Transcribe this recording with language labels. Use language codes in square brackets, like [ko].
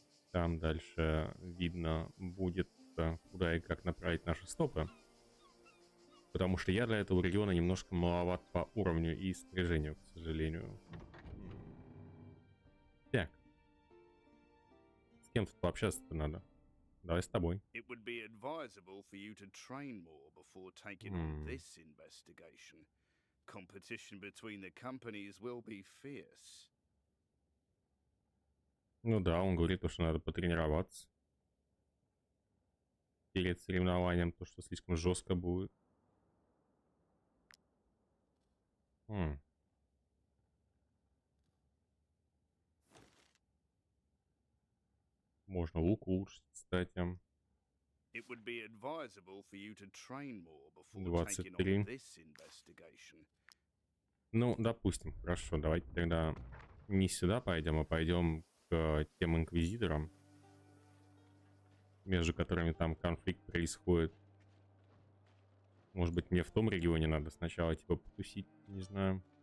[ru] Там дальше видно будет, куда и как направить наши стопы. Потому что я для этого региона немножко маловат по уровню и снаряжению, к сожалению. С кем тут пообщаться-то надо? Давай с тобой. [en] It would be advisable for you to train more before taking on this investigation. Competition between the companies will be fierce. [ru] Ну да, он говорит то, что надо потренироваться перед соревнованием, то, что слишком жестко будет. Можно лук улучшить, кстати. [en] It would be advisable for you to train more before taking on this investigation. [ru] Ну, допустим, хорошо, давайте тогда не сюда пойдем, а пойдем к тем инквизиторам, между которыми там конфликт происходит. Может быть, мне в том регионе надо сначала типа потусить, не знаю.